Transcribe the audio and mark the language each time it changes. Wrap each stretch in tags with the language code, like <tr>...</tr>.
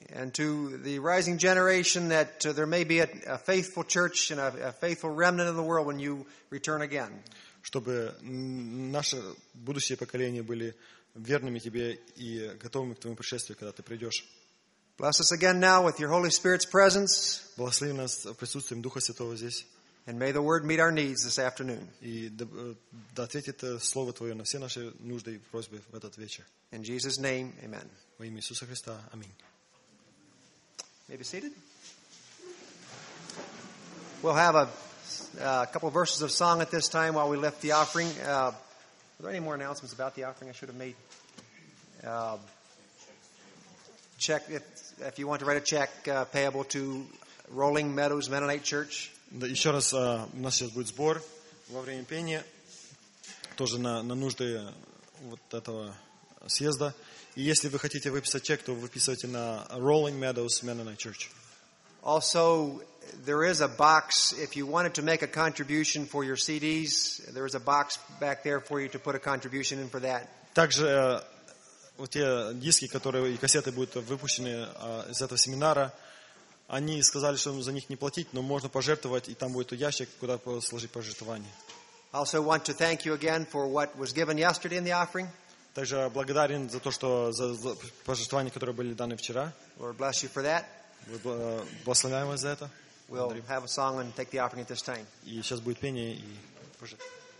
<en>And to the rising generation that there may be a faithful church and a faithful remnant in the world when you return again.</en> <ru>Чтобы наши будущие поколения были верными Тебе и готовыми к Твоему пришествию, когда Ты придешь.</ru> <en>Bless us again now with Your Holy Spirit's presence.</en> <ru>Благослови нас присутствием Духа Святого здесь.</ru> <en>And may the word meet our needs this afternoon.</en> <ru>И да ответит слово Твое на все наши нужды и просьбы в этот вечер.</ru> <en>In Jesus' name, amen.</en> <ru>Во имя Иисуса Христа, аминь.</ru> <en>May be seated. We'll have a couple of verses of song at this time while we lift the offering. Are there any more announcements about the offering I should have made? Check if you want to write a check payable to Rolling Meadows Mennonite Church.</en> <ru>Да, еще раз, у нас сейчас будет сбор во время пения, тоже на нужды вот этого съезда. И если вы хотите выписать чек, то выписывайте на Rolling Meadows Mennonite Church.</ru> <en>Also, there is a box, if you wanted to make a contribution for your CDs, there is a box back there for you to put a contribution in for that.</en> <ru>Также вот те диски, которые и кассеты будут выпущены из этого семинара, они сказали, что за них не платить, но можно пожертвовать, и там будет ящик, куда сложить пожертвование.</ru> <en>Also want to thank you again for what was given yesterday in the offering.</en> <ru>Также благодарен за то, что за пожертвования, которые были даны вчера.</ru> <en>Lord bless you for that.</en> <ru>Мы благословляем вас за это.</ru> <en>We'll have a song and take the offering at this time.</en> <ru>И сейчас будет пение и пожертвование.</ru>